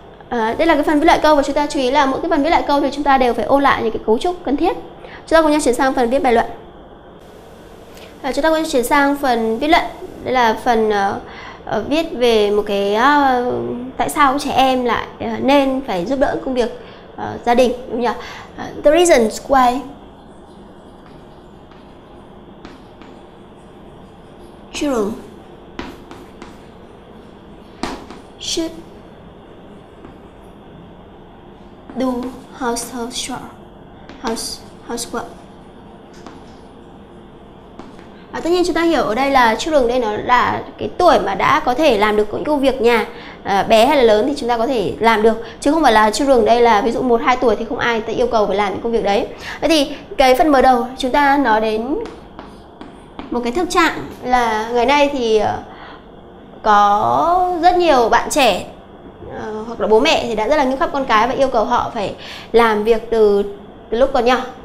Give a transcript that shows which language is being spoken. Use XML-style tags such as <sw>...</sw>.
<vi>Đây là cái phần viết lại câu, và chúng ta chú ý là mỗi cái phần viết lại câu thì chúng ta đều phải ôn lại những cái cấu trúc cần thiết. Chúng ta cùng nhau chuyển sang phần viết bài luận. Chúng ta cùng nhau chuyển sang phần viết luận. Đây là phần viết về một cái tại sao trẻ em lại nên phải giúp đỡ công việc gia đình, đúng không nhỉ?</vi> <en>The reasons why children should do household chores, housework.</en> <vi>Tất nhiên chúng ta hiểu ở đây là children, đây nó là cái tuổi mà đã có thể làm được những công việc nhà, bé hay là lớn thì chúng ta có thể làm được, chứ không phải là children đây là ví dụ 1-2 tuổi thì không ai ta yêu cầu phải làm những công việc đấy. Vậy thì cái phần mở đầu chúng ta nói đến một cái thực trạng là ngày nay thì có rất nhiều bạn trẻ hoặc là bố mẹ thì đã rất là nghiêm khắc con cái và yêu cầu họ phải làm việc từ lúc còn nhỏ.</vi>